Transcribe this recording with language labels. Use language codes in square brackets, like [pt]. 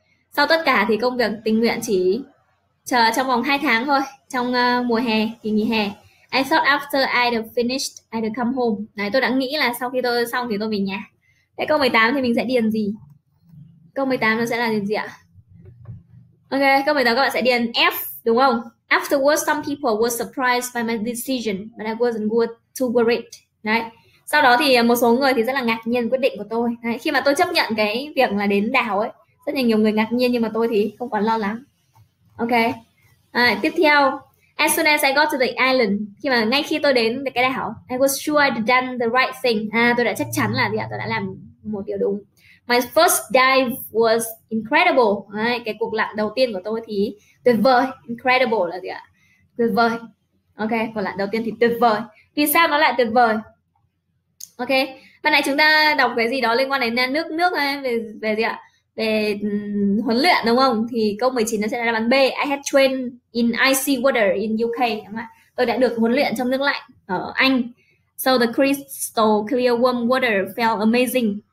[vi] Sau tất cả thì công việc tình nguyện chỉ chờ trong vòng 2 tháng thôi, trong mùa hè, kỳ nghỉ hè. [en] I thought after I'd finished, I'd come home. [vi] Đấy, tôi đã nghĩ là sau khi tôi xong thì tôi về nhà. Thế câu 18 thì mình sẽ điền gì? Câu 18 nó sẽ là điền gì ạ? Ok, câu 18 các bạn sẽ điền F, đúng không? [en] Afterwards, some people were surprised by my decision, but I wasn't good to worry. [vi] Đấy. Sau đó thì một số người thì rất là ngạc nhiên quyết định của tôi. Đấy. Khi mà tôi chấp nhận cái việc là đến đảo ấy, rất là nhiều người ngạc nhiên nhưng mà tôi thì không quá lo lắng. Ok. [en] À, [vi] tiếp theo, [en] as soon as I got to the island, [vi] khi mà ngay khi tôi đến cái đảo, [en] I was sure I'd done the right thing. [vi] À, tôi đã chắc chắn là gì ạ? Tôi đã làm một điều đúng. [en] My first dive was incredible. [vi] À, cái cuộc lặn đầu tiên của tôi thì tuyệt vời. Incredible là gì ạ? Tuyệt vời. Ok, còn lại đầu tiên thì tuyệt vời. Vì sao nó lại tuyệt vời? Ok, bạn này chúng ta đọc cái gì đó liên quan đến nước nước ấy, về về gì ạ? Về huấn luyện đúng không? Thì câu 19 nó sẽ là đáp án B. [en] I have trained in icy water in UK. [vi] Đúng không ạ? Tôi đã được huấn luyện trong nước lạnh ở Anh. [en] So the crystal clear warm water felt amazing.